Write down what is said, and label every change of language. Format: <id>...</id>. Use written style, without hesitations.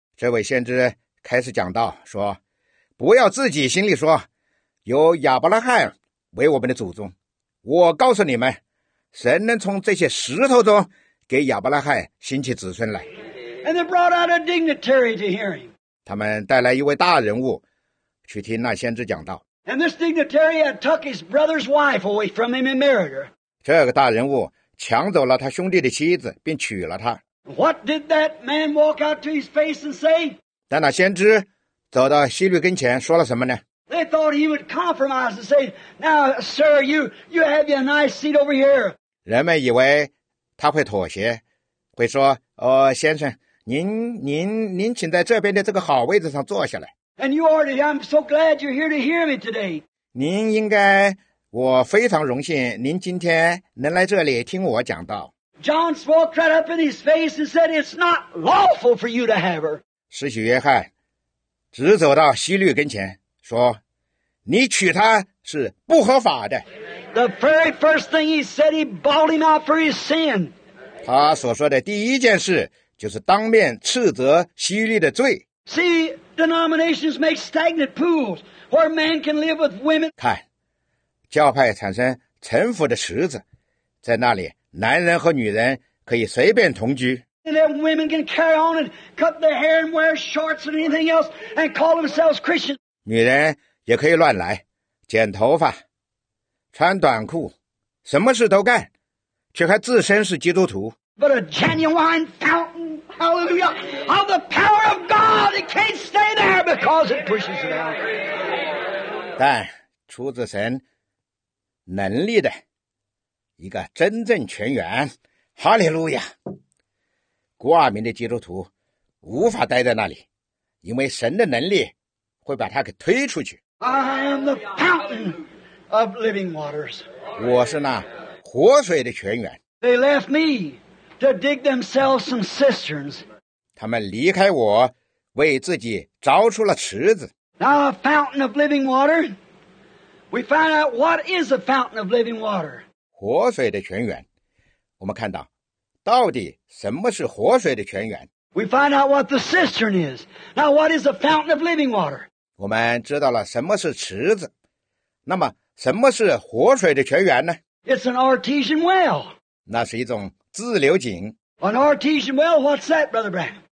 <zh>这位先知开始讲道说，不要自己心里说，有亚伯拉罕为我们的祖宗。我告诉你们，神能从这些石头中给亚伯拉罕兴起子孙来。</zh> <en>And they brought out a dignitary to hear him.</en> <zh>他们带来一位大人物去听那先知讲道。</zh> <en>And this dignitary had took his brother's wife away from him and married her.</en> <zh>这个大人物抢走了他兄弟的妻子并娶了她。</zh> <en>What did that man walk out to his face and say?</en> <zh>但那先知走到希律跟前说了什么呢?</zh> <en>They thought he would compromise and say, Now, sir, you have your nice seat over here.</en> <zh>人们以为他会妥协，会说，先生，您请在这边的这个好位置上坐下来。</zh> <en>And you are today. I'm so glad you're here to hear me today.</en> <zh>您应该，我非常荣幸您今天能来这里听我讲道。</zh> <en>John spoke right up in his face and said, "It's not lawful for you to have her."</en> <zh>使徒约翰直走到希律跟前说，你娶她是不合法的。</zh> <en>The very first thing he said, he bawled him out for his sin.</en> <zh>他所说的第一件事就是当面斥责希律的罪。</zh> <en>See. Denominations make stagnant pools where man can live with women.</en> <zh>看，教派产生沉浮的池子，在那里，男人和女人可以随便同居。</zh> <en>And then women can carry on and cut their hair and wear shorts and anything else and call themselves Christians.</en> <zh>女人也可以乱来，剪头发，穿短裤，什么事都干，却还自称是基督徒。</zh> <en>But a genuine fountain, hallelujah, of the power of God. out. It can't stay there because it pushes it out.</en> <zh>但出自神能力的一个真正全员，哈利路亚。挂名的基督徒无法待在那里，因为神的能力会把他给推出去。</zh> <en>I am the fountain of living waters.</en> <zh>我是那活水的泉源。</zh> <en>They left me to dig themselves some cisterns.</en> <zh>他们离开我，为自己凿出了池子。</zh> <en>Now a fountain of living water. We find out what is a fountain of living water.</en> <zh>活水的泉源，我们看到到底什么是活水的泉源。</zh> <en>We find out what the cistern is. Now what is a fountain of living water?</en> <zh>我们知道了什么是池子，那么什么是活水的泉源呢？</zh> <en>It's an artesian well.</en> <zh>那是一种自流井。</zh> <en>An artesian well, what's that, Brother Brown?</en>